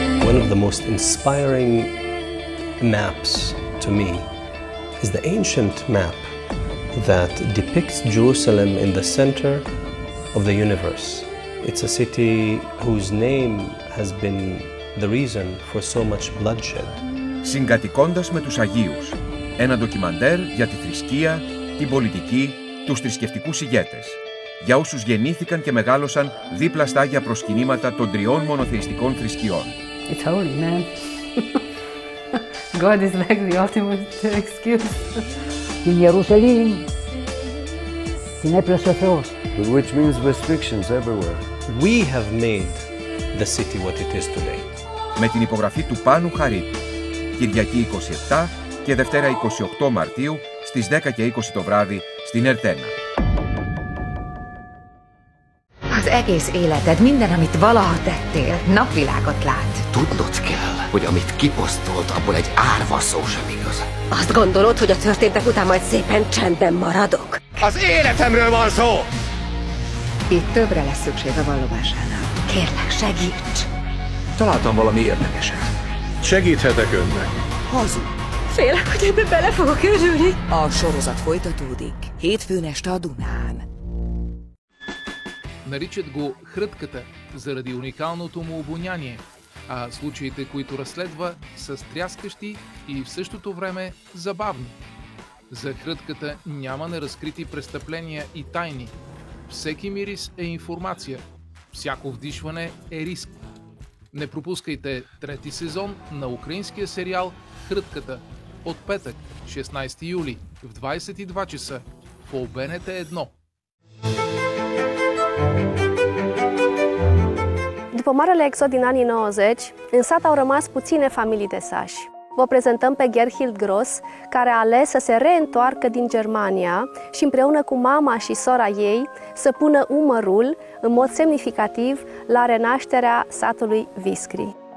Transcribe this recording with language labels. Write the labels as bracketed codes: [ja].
[en] One of the most inspiring maps to me is the ancient map that depicts Jerusalem in the center of the universe. It's a city whose name has been the reason for so much bloodshed. [el] Συγκατοικώντας με τους Αγίους, ένα ντοκιμαντέρ για τη θρησκεία, την πολιτική, τους θρησκευτικούς ηγέτες. Για όσους γεννήθηκαν και μεγάλωσαν δίπλα στα άγια προσκυνήματα των τριών μονοθεϊστικών θρησκειών. [en] It's holy, man. God is like the ultimate excuse. [el] Την Ιερουσαλήμ, την έπλασε ο Θεός. [en] Which means restrictions everywhere. We have made the city what it is today. [el] Με την υπογραφή του Πάνου Χαρίτου. Κυριακή 27 και Δευτέρα 28 Μαρτίου στις 10:20 το βράδυ στην Ερτένα. [hu] Az egész életed, minden, amit valaha tettél, napvilágot lát. Tudnod kell, hogy amit kiposztolt, abból egy árva szó sem igaz. Azt gondolod, hogy a történtek után majd szépen csendben maradok? Az életemről van szó! Itt többre lesz szükség a vallomásánál. Kérlek, segíts! Találtam valami érdekeset. Segíthetek önnek. Hazud. Félek, hogy ebbe bele fogok örülni. A sorozat folytatódik. Hétfőn este a Dunán. [bg] Наричат го хрътката заради уникалното му обоняние, а случаите, които разследва, са стряскащи и в същото време забавни. За хрътката няма неразкрити престъпления и тайни. Всеки мирис е информация. Всяко вдишване е риск. Не пропускайте трети сезон на украинския сериал «Хрътката» от петък, 16 юли, в 22 часа по БНТ 1. [ro] După marele exod din anii 90, în sat au rămas puține familii de sași. Vă prezentăm pe Gerhild Gross, care a ales să se reîntoarcă din Germania și împreună cu mama și sora ei să pună umărul, în mod semnificativ, la renașterea satului Viscri.